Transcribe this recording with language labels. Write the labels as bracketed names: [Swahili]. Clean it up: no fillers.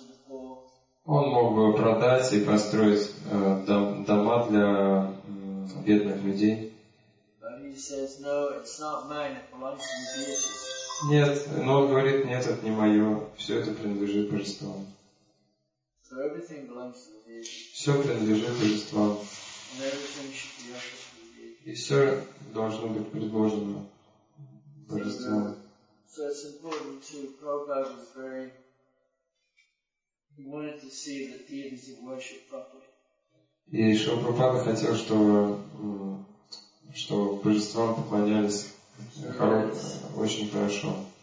[Russian] Он мог бы продать и построить дома для бедных людей. [English] Says, no, it's not mine, it belongs to the deity. [Russian] Нет, но он говорит, нет, это не мое, все это принадлежит божествам. [English] So everything belongs to the deity. [Russian] Все принадлежит божествам. [English] And everything should be offered to the deity. [Russian] И все должно быть предложено божествам. [English] So it's important too, Prabhupada was very, he wanted to see that deities are worshipped properly. [Russian] И Шрила Прабхупада хотел, что божествам поклонялись очень хорошо.